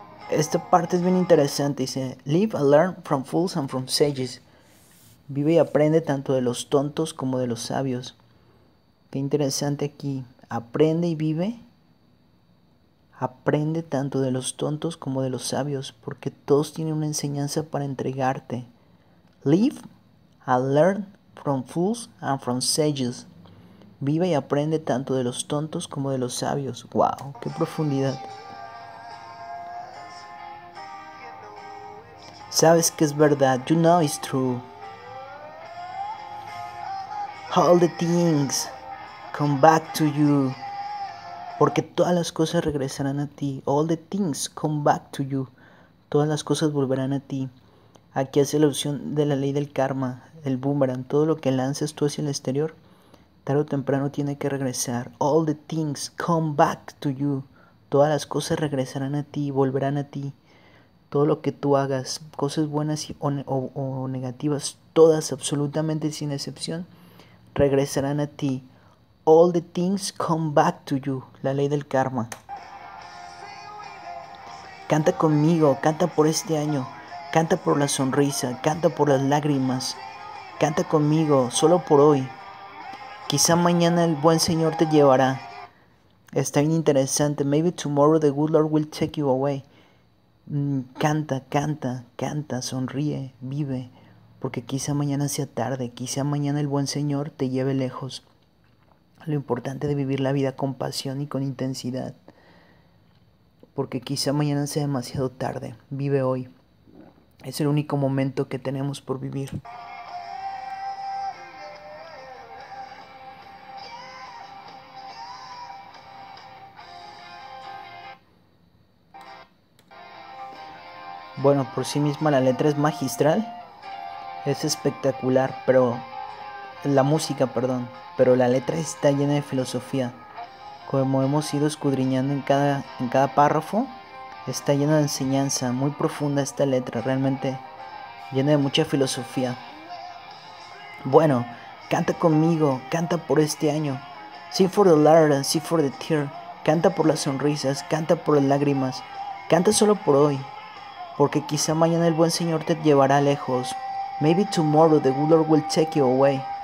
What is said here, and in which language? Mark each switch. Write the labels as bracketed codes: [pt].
[es] Esta parte es bien interesante, dice, [en] live and learn from fools and from sages. [es] Vive y aprende tanto de los tontos como de los sabios. Qué interesante aquí, aprende y vive. Aprende tanto de los tontos como de los sabios, porque todos tienen una enseñanza para entregarte. [en] Live and learn from fools and from sages. [es] Vive y aprende tanto de los tontos como de los sabios. ¡Wow! ¡Qué profundidad! Sabes que es verdad. [en] You know it's true. All the things come back to you. [es] Porque todas las cosas regresarán a ti. [en] All the things come back to you. [es] Todas las cosas volverán a ti. Aquí hace la opción de la ley del karma, el boomerang. Todo lo que lances tú hacia el exterior, tarde o temprano tiene que regresar. [en] All the things come back to you. [es] Todas las cosas regresarán a ti, volverán a ti. Todo lo que tú hagas, cosas buenas o negativas, todas, absolutamente sin excepción, regresarán a ti. [en] All the things come back to you, [es] la ley del karma. Canta conmigo, canta por este año, canta por la sonrisa, canta por las lágrimas, canta conmigo, solo por hoy. Quizá mañana el buen Señor te llevará. Está bien interesante. [en] Maybe tomorrow the good Lord will take you away. [es] Canta, canta, canta, sonríe, vive, porque quizá mañana sea tarde, quizá mañana el buen Señor te lleve lejos. Lo importante de vivir la vida con pasión y con intensidad. Porque quizá mañana sea demasiado tarde. Vive hoy. Es el único momento que tenemos por vivir. Bueno, por sí misma la letra es magistral. Es espectacular, pero la música, perdón, pero la letra está llena de filosofía. Como hemos ido escudriñando en cada párrafo, está llena de enseñanza, muy profunda esta letra, realmente llena de mucha filosofía. Bueno, canta conmigo, canta por este año. [en] Sing for the laughter, sing for the tear. [es] Canta por las sonrisas, canta por las lágrimas. Canta solo por hoy, porque quizá mañana el buen Señor te llevará lejos. [en] Maybe tomorrow the good Lord will take you away.